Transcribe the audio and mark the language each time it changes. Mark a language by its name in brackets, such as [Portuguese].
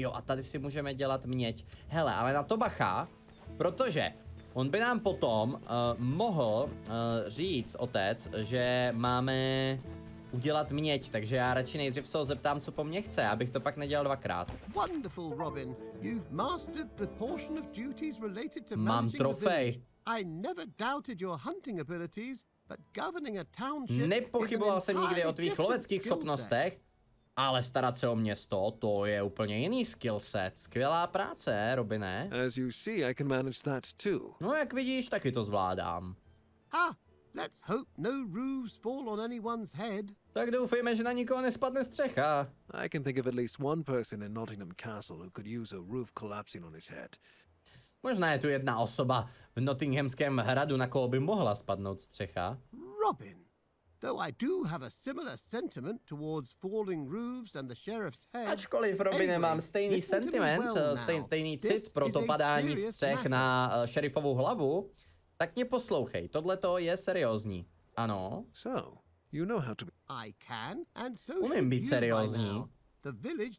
[Czech] Jo, a tady si můžeme dělat měď. Hele, ale na to bacha, protože on by nám potom mohl říct, otec, že máme udělat měď, takže já radši nejdřív se ho zeptám, co po mně chce, abych to pak nedělal dvakrát. [English] Wonderful, Robin. You've mastered the portion of duties related to [Czech] managing. Mám trofej. [English] I never doubted your hunting abilities, but governing a township. [Czech] Nepochyboval jsem nikdy o tvých loveckých schopnostech, ale starat se o město, to je úplně jiný skill set. Skvělá práce, Robine. [English] As you see, I can manage that too. [Czech] No, jak vidíš, taky to zvládám. [English] Ha, let's hope no roofs fall on anyone's head. [Czech] Tak doufejme, že na nikoho nespadne střecha. [English] I can think of at least one person in Nottingham Castle who could use a roof collapsing on his head. [Czech] Možná je tu jedna osoba v Nottinghamském hradu, na koho by mohla spadnout střecha. [English] Robin, though I do have a similar sentiment towards falling roofs and the sheriff's head. [Czech] Ačkoliv, Robine, anyway, mám stejný sentiment, stejný cit pro to padání střech na šerifovou hlavu, tak mě poslouchej, tohle to je seriózní. Ano. [English] So, you know how to be. I can, and so [Czech] umím být seriózní. [English] The village